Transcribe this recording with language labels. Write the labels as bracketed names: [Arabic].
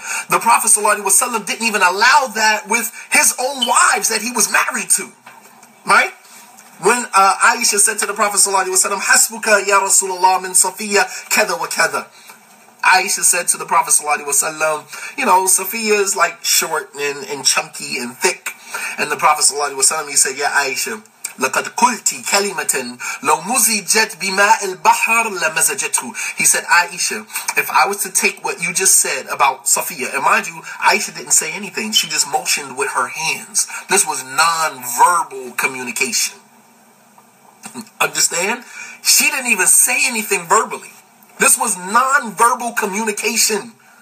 [English] The Prophet ﷺ didn't even allow that with his own wives that he was married to, right? When Aisha said to the Prophet ﷺ, [Arabic] "Hasbuka ya Rasulullah min Safiya kada wa kada," [English] Aisha said to the Prophet ﷺ, "You know, Safiya is like short and chunky and thick." And the Prophet ﷺ, he said, [Arabic] "Ya Aisha, لَقَدْ قُلْتِ كَلِمَةً لَوْ مُزِجَتْ بِمَاءِ الْبَحْرِ لَمَزَجَتْهُ." [English] He said, Aisha, if I was to take what you just said about Safiya, and mind you, Aisha didn't say anything. She just motioned with her hands. This was non-verbal communication. Understand? She didn't even say anything verbally. This was non-verbal communication.